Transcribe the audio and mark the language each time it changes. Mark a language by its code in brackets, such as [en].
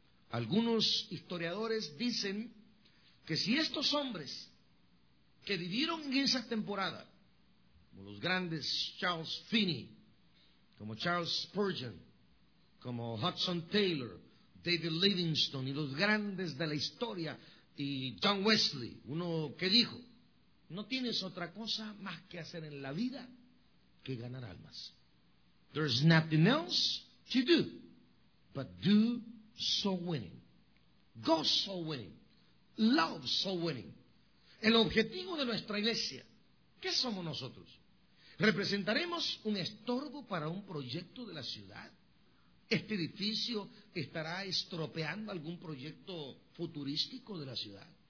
[es] Algunos historiadores dicen que si estos hombres que vivieron en esa temporada, como los grandes Charles Finney, como Charles Spurgeon, como Hudson Taylor, David Livingstone y los grandes de la historia, y John Wesley, uno que dijo: no tienes otra cosa más que hacer en la vida que ganar almas. [en] There's nothing else to do, but do soul winning. Go soul winning. Love soul winning. [es] El objetivo de nuestra iglesia, ¿qué somos nosotros? ¿Representaremos un estorbo para un proyecto de la ciudad? ¿Este edificio estará estropeando algún proyecto futurístico de la ciudad?